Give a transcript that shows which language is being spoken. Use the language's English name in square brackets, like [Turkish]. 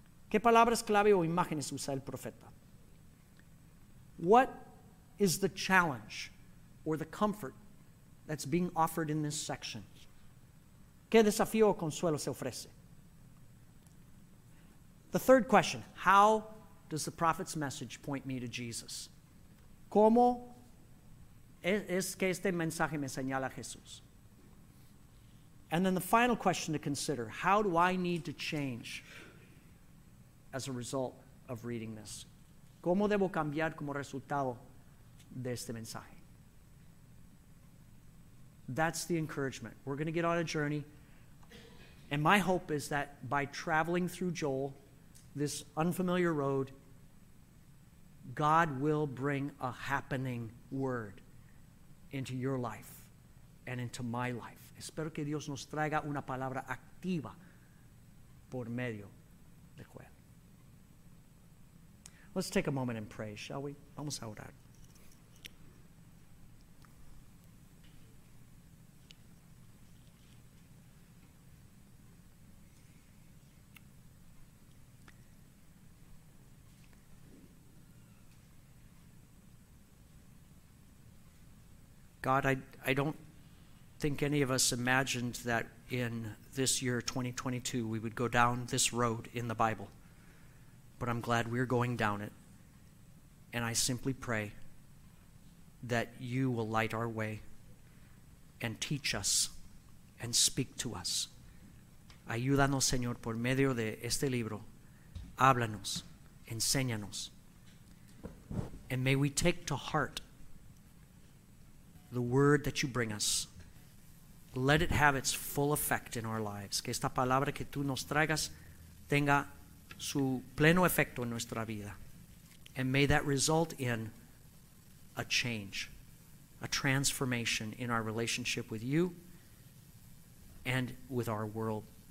[Spanish] ¿Qué palabras clave o imágenes usa el profeta? [English] What is the challenge or the comfort that's being offered in this section? [Spanish] ¿Qué desafío o consuelo se ofrece? [English] The third question, how does the prophet's message point me to Jesus? [Spanish] ¿Cómo es que este mensaje me señala a Jesús? [English] And then the final question to consider, how do I need to change as a result of reading this? [Spanish] ¿Cómo debo cambiar como resultado de este mensaje? [English] That's the encouragement. We're going to get on a journey. And my hope is that by traveling through Joel, this unfamiliar road, God will bring a happening word into your life and into my life. [Spanish] Espero que Dios nos traiga una palabra activa por medio de Joel. [English] Let's take a moment and pray, shall we? [Spanish] Vamos a orar. [English] God, I don't think any of us imagined that in this year, 2022, we would go down this road in the Bible. But I'm glad we're going down it. And I simply pray that you will light our way and teach us and speak to us. [Spanish] Ayúdanos, Señor, por medio de este libro. Háblanos, enséñanos. [English] And may we take to heart the word that you bring us. Let it have its full effect in our lives. [Spanish] Que esta palabra que tú nos traigas tenga su pleno efecto en nuestra vida. [English] And may that result in a change, a transformation in our relationship with you and with our world.